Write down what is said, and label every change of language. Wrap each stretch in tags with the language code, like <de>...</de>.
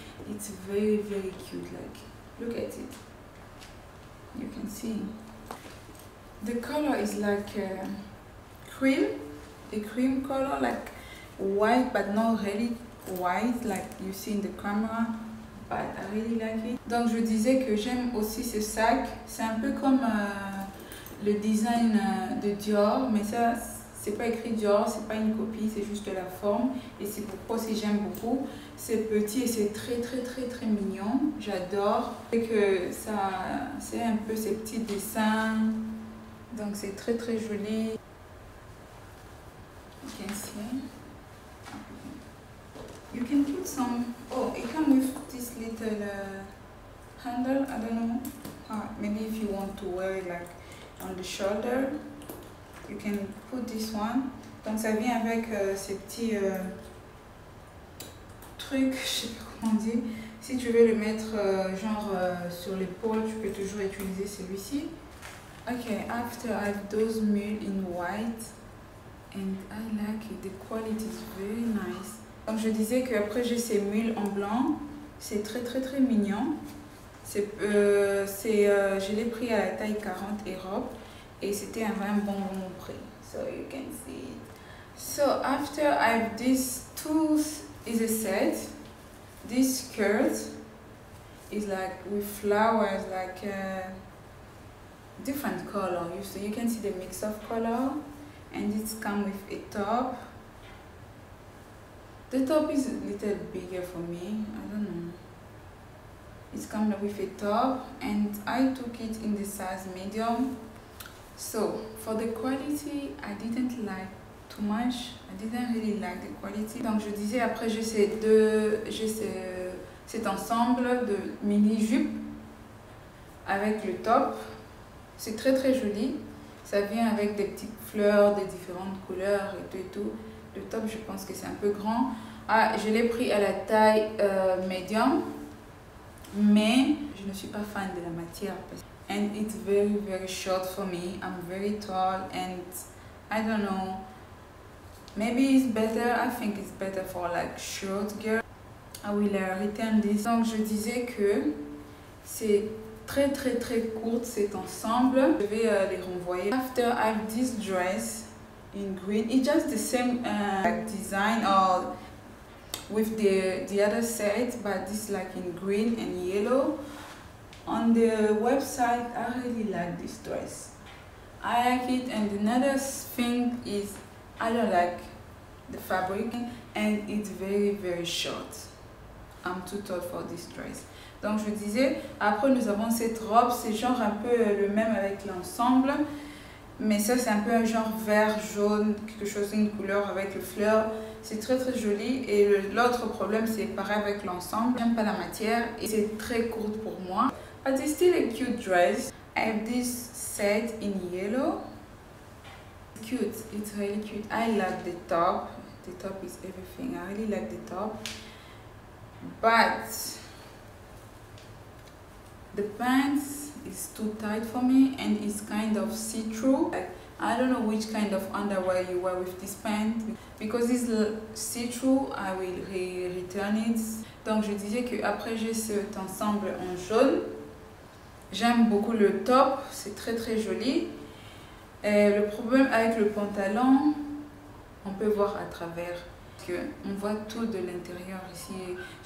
<en>It's very, very cute, like, look at it. You can see. The color is like a cream color, like white, but not really white, like you see in the camera. But I really like it.</en> <fr>Donc je disais que j'aime aussi ce sac. C'est un peu comme le design de Dior, mais ça... C'est pas écrit Dior, c'est pas une copie, c'est juste la forme. Et c'est pourquoi aussi j'aime beaucoup. C'est petit et c'est très très très très mignon. J'adore. Et que ça, c'est un peu ces petits dessins. Donc c'est très très joli.</fr> <en>You can see. You can put some... Oh, it comes with this little handle. I don't know. Maybe if you want to wear it like on the shoulder. You can put this one.</en> <fr>Donc ça vient avec ces petits trucs, je sais pas comment dire, Si tu veux le mettre genre sur l'épaule, tu peux toujours utiliser celui-ci.</fr> <en>Ok, after I have those mules in white, and I like it. The quality is very nice.</en> <fr>Comme je disais que après j'ai ces mules en blanc, c'est très très très mignon. Je l'ai pris à la taille 40 Europe et c'était un vraiment bon, bon prix.</fr> <en>So you can see it. So after I have this tooth is a set. This skirt is like with flowers, like different color. You can see the mix of color, and it's come with a top. The top is a little bigger for me. I don't know. It's come with a top, and I took it in the size medium. So for the quality, I didn't like too much. I didn't really like the quality.</en> <fr>Donc je disais après j'ai ces deux, cet ensemble de mini jupe avec le top. C'est très très joli. Ça vient avec des petites fleurs de différentes couleurs et tout et tout. Le top, je pense que c'est un peu grand. Ah, je l'ai pris à la taille médium, mais je ne suis pas fan de la matière.</fr> <en>And it's very very short for me. I'm very tall and I don't know. Maybe it's better. I think it's better for like short girl. I will return this.</en> <fr>Donc je disais que c'est très très très courte cet ensemble. Je vais les renvoyer.</fr> <en>After I have this dress in green, it's just the same design or with the other set, but this like in green and yellow. On the website, I really like this dress. I like it. And another thing is, I don't like the fabric and it's very very short. I'm too tall for this dress.</en> <fr>Donc je disais, après nous avons cette robe, c'est genre un peu le même avec l'ensemble, mais ça c'est un peu un genre vert, jaune, quelque chose, une couleur avec le fleur. C'est très très joli. Et l'autre problème, c'est pareil avec l'ensemble, j'aime pas la matière et c'est très courte pour moi.</fr> <en>But it's still a cute dress. I have this set in yellow. It's cute, it's really cute. I like the top. The top is everything. I really like the top. But the pants is too tight for me and it's kind of see-through. Like, I don't know which kind of underwear you wear with this pant. Because it's see-through, I will return it.</en> <fr>Donc je disais que après j'ai cet ensemble en jaune. J'aime beaucoup le top, c'est très très joli. Et le problème avec le pantalon, on peut voir à travers. Parce que on voit tout de l'intérieur ici.</fr>